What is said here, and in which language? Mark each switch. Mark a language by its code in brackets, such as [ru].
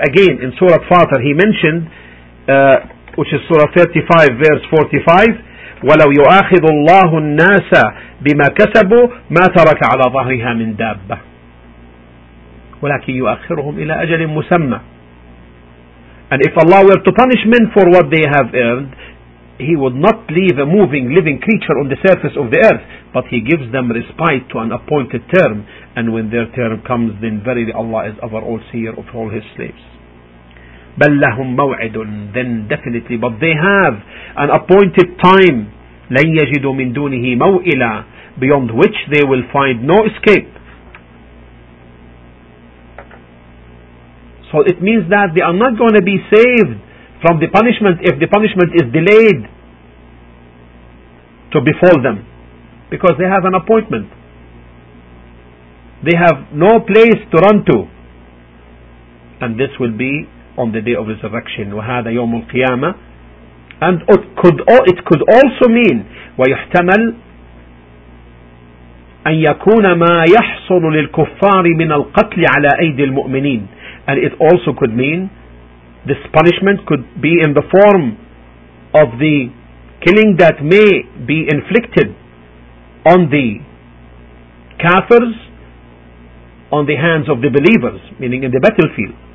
[en] Again in Surah Fatir he mentioned which is Surah 35 verse 45, [ar] ولو يؤاخذ الله الناس بما كسبوا ما ترك على ظهرها من دابة ولكن يؤخرهم إلى أجل مسمى. [en] And if Allah were to punish men for what they have earned, He would not leave a moving living creature on the surface of the earth, but He gives them respite to an appointed term. And when their term comes, then verily Allah is over all seer of all His slaves. [ar] بل لهم موعد, [en] then definitely, but they have an appointed time. [ar] لن يجدوا من دونه موئلا, [en] beyond which they will find no escape. So it means that they are not going to be saved from the punishment if the punishment is delayed to befall them, because they have an appointment. They have no place to run to, and this will be on the day of resurrection. [ar] وهذا يوم القيامة. [en] And it could also mean [ar] ويحتمل أن يكون ما يحصل للكفار من القتل على أيدي المؤمنين. [en] And it also could mean this punishment could be in the form of the killing that may be inflicted on the kafirs on the hands of the believers, meaning in the battlefield.